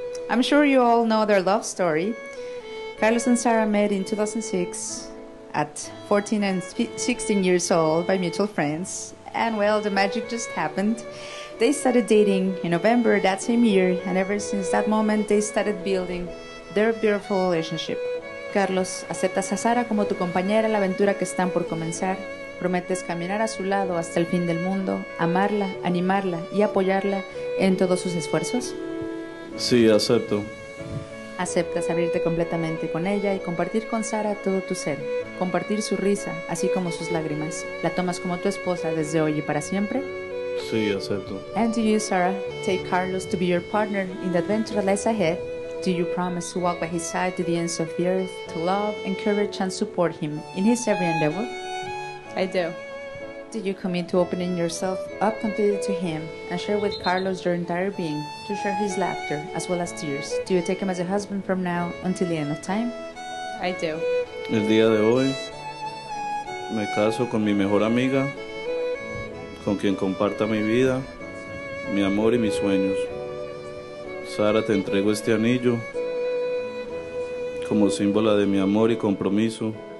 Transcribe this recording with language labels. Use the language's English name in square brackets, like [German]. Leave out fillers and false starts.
[English] I'm sure you all know their love story. Carlos and Sarah met in 2006 at 14 and 16 years old by mutual friends. And well, the magic just happened. They started dating in November that same year. And ever since that moment, they started building their beautiful relationship. [Spanish] Carlos, aceptas a Sarah como tu compañera en la aventura que están por comenzar. Prometes caminar a su lado hasta el fin del mundo, amarla, animarla y apoyarla en todos sus esfuerzos. Sí, acepto. Aceptas abrirte completamente con ella y compartir con Sarah todo tu ser, compartir su risa, así como sus lágrimas. La tomas como tu esposa desde hoy y para siempre. Sí, acepto. [English] And to you, Sarah, take Carlos to be your partner in the adventure that lies ahead. Do you promise to walk by his side to the ends of the earth, to love, encourage, and support him in his every endeavor? I do. Do you commit to opening yourself up completely to him and share with Carlos your entire being, to share his laughter as well as tears? Do you take him as a husband from now until the end of time? I do. [Spanish] El día de hoy, me caso con mi mejor amiga, con quien comparta mi vida, mi amor y mis sueños. Sara, te entrego este anillo como símbolo de mi amor y compromiso.